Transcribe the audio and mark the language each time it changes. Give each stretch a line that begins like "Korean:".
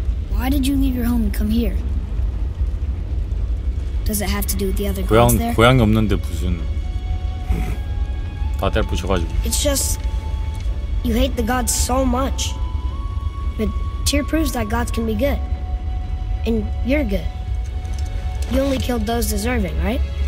English: Why did you leave your home and come here? Does it have to do with the other gods there?
Korean: 고향이 없는데 무슨 다 때려부셔가지고.
English: It's just you hate the gods so much. But Tyr proves that gods can be good, and you're good. You only killed those deserving, right?